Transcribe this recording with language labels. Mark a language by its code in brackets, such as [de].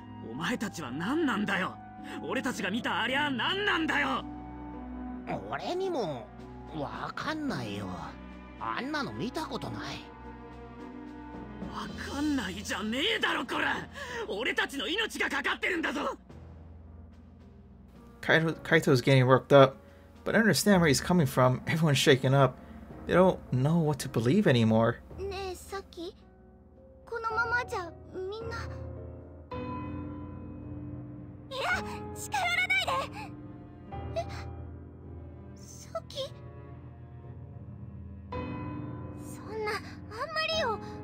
[ja] お前たちは何なんだよ。俺たちが見たありゃ何なんだよ。俺にも分かんないよ。あんなの見たことない。分かんないじゃねえだろ。こら、俺たちの命がかかってるんだぞ。 [en] Kaito's getting worked up, but I understand where he's coming from. Everyone's shaken up. They don't know what to believe anymore. [ja] ねえ、さっきこのままじゃみんな。いや、近寄らないで。え、サキ、そんな、あんまりよ。